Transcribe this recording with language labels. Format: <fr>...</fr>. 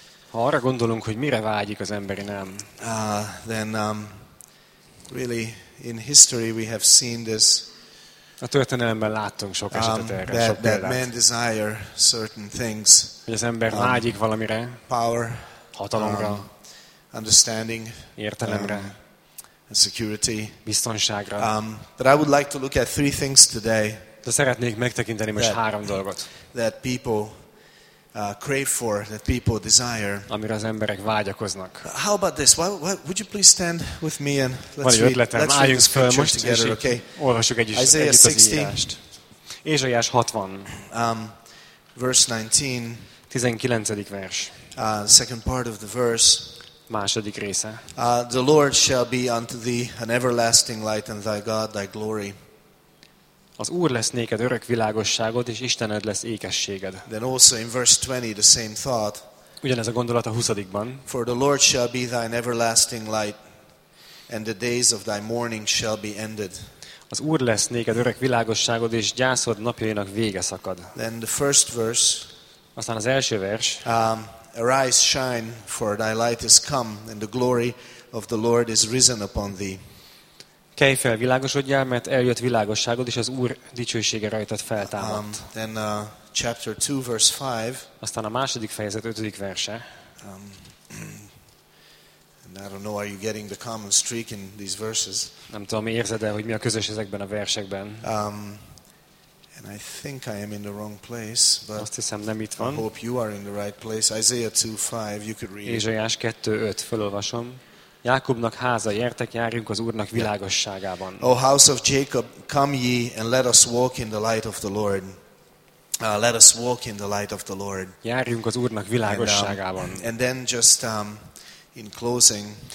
<hu>ha arra gondolunk, hogy mire vágyik az emberi nem,</hu> <en>then really in history we have seen this.</en> <hu>A történelemben láttunk sok esetet erre, sok példát.</hu> <en>That man desire certain things.</en> <hu>Hogy az ember vágyik valamire.</hu> <en>Power.</en> <hu>Hatalomra.</hu> <en>Understanding.</en> <hu>Értelemre.</hu> <en>Security.</en> <hu>Biztonságra.</hu> <en>But I would like to look at three things today.</en> <hu>De szeretnék megtekinteni most három dolgot.</hu> <en>That people crave for, that people desire.</en> <hu>Amire az emberek vágyakoznak.</hu> <en>How about this? Why would you please stand with me and let's read this scripture together, okay?</en> <hu>Olvassuk együtt az írást. Ézsaiás 60.</hu> <en>Verse 19.</en> <hu>19. vers.</hu> <en>Second part of the verse.</en> <hu>Második része.</hu> <en>The Lord shall be unto thee an everlasting light and thy God thy glory.</en> <hu>Az Úr lesz néked örök világosságod, és Istened lesz ékességed.</hu> <en>Then also in verse 20 the same thought.</en> <hu>Ugyanez a gondolat a 20-ban.</hu> <en>For the Lord shall be thine everlasting light, and the days of thy mourning shall be ended.</en> <hu>Az Úr lesz néked örök világosságod, és gyászod napjainak vége szakad.</hu> <en>Then the first verse.</en> <hu>Aztán az első vers.</hu> <en>Arise, shine, for thy light is come, and the glory of the Lord is risen upon thee.</en> <hu>Kelj fel, világosodjál, mert eljött világosságod, és az Úr dicsősége rajtad feltámadt.</hu> <en>Chapter 2, verse 5.</en> <hu>Aztán a második fejezet, ötödik verse.</hu> <en>I don't know, are you getting the common streak in these verses?</en> <hu>Nem tudom, érzed-e, hogy mi a közös ezekben a versekben.</hu> <en>And I think I am in the wrong place, but</en> <hu>azt hiszem, nem itt van.</hu> <en>I hope you are in the right place. Isaiah 2, 5, you could read.</en> <hu>Ézsaiás 2, 5, felolvasom. Jákobnak háza, gyertek, járjunk az Úrnak világosságában.</hu> <en>O house of Jacob, come ye, and let us walk in the light of the Lord. Let us walk in the light of the Lord.</en> <hu>Járjunk az Úrnak világosságában.</hu> <en>And then just in closing,</en>